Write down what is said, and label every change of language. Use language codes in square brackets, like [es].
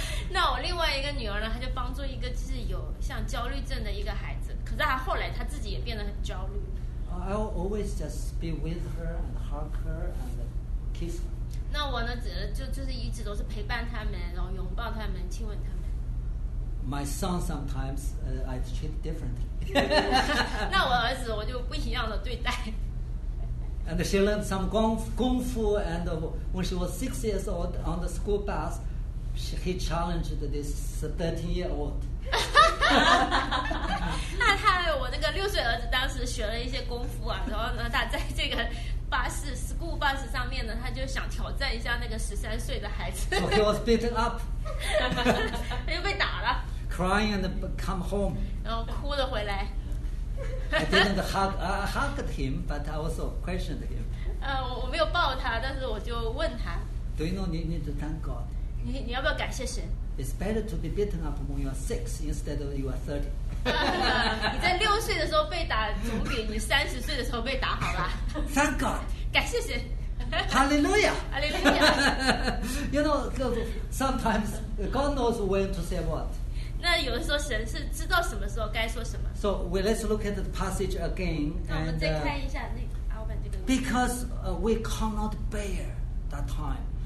[zh] 那我另外一个女儿呢，她就帮助一个就是有像焦虑症的一个孩子，可是她后来她自己也变得很焦虑。 [en] I will always just be with her and hug her and kiss her. [zh] 那我呢，就是一直都是陪伴他们，然后拥抱他们，亲吻他们。 [en] My son sometimes, I treat differently. [zh] 那我儿子我就不一样的对待。 [en] And she learned some kung fu, and when she was 6 years old on the school bus, he challenged this 13-year-old. [zh] 那他我那个六岁儿子当时学了一些功夫啊，然后呢，他在这个巴士 [en] school bus [zh] 上面呢，他就想挑战一下那个13岁的孩子。 [en] So he was beaten up. [zh] 他就被打了。 [en] Crying and come home. [zh] 然后哭了回来。 [en] I didn't hugged him, but I also questioned him. [zh] 我没有抱他，但是我就问他。 [en] Do you know you need to thank God? [zh] 你要不要感谢神？ [en] It's better to be beaten up when you are 6 instead of you are 30. [zh] 你在六岁的时候被打，总比你30岁的时候被打好吧 [en] ？Thank God. [zh] 感谢神。 [en] Hallelujah. Hallelujah. You know, sometimes God knows when to say what. [zh] 那有的时候神是知道什么时候该说什么。 [en] So let's look at the passage again. [zh] 那我们再看一下那阿伯这个。 [en] Because we cannot bear that time.